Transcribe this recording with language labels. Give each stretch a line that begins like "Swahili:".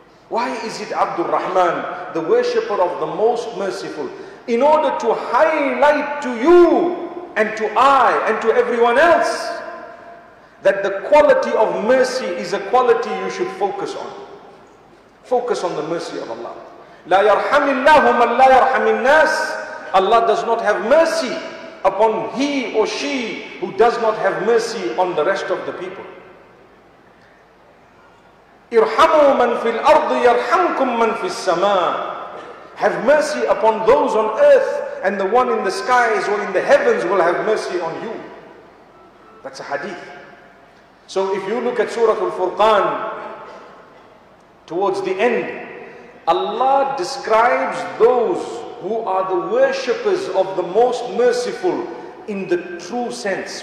English: Why is it Abdul Rahman, the worshipper of the most merciful? In order to highlight to you and to I and to everyone else that the quality of mercy is a quality you should focus on. Focus on the mercy of Allah.
Arabic: لا يرحم الله من لا يرحم الناس.
English: Allah does not have mercy upon he or she who does not have mercy on the rest of the people.
Arabic: ارحموا من في الأرض يرحمكم من في السماء.
English: Have mercy upon those on earth, and the one in the skies or in the heavens will have mercy on you. That's a hadith. So if you look at Surah Al-Furqan, towards the end, Allah describes those who are the worshippers of the most merciful in the true sense.